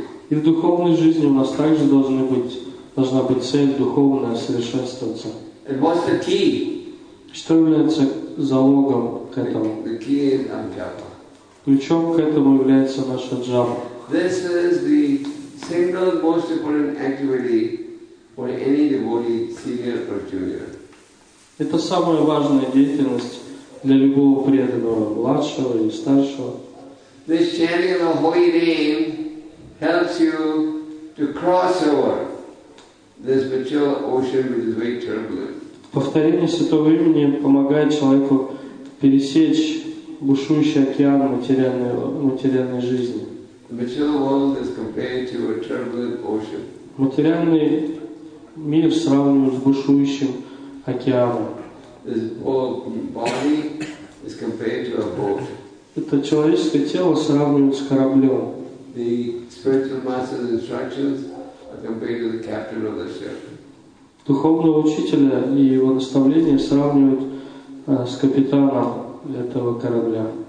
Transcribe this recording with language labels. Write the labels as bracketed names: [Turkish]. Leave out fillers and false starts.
[Russian] И в духовной жизни у нас также должна быть цель духовная — совершенствоваться. [English] And what's the key? [Russian] Что является залогом к этому? [English] The key is japa. [Russian] Ключом к этому является наша джапа. [English] This is the single most important activity for any devotee, senior or junior. [Russian] Это самая важная деятельность для любого преданного, младшего или старшего. [English] This chanting of the holy name helps you to cross over this material ocean, which is very turbulent. [Russian] Повторение святого имени помогает человеку пересечь бушующий океан материальной жизни. [English] The material world is compared to a turbulent ocean. [Russian] Материальный мир сравниваем с бушующим океаном. [English] This body is compared to a boat. [Russian] Это человеческое тело сравнивают с кораблем. [English] The spiritual master's instructions are compared to the captain of the ship. [Russian] Духовного учителя и его наставления сравнивают с капитаном этого корабля.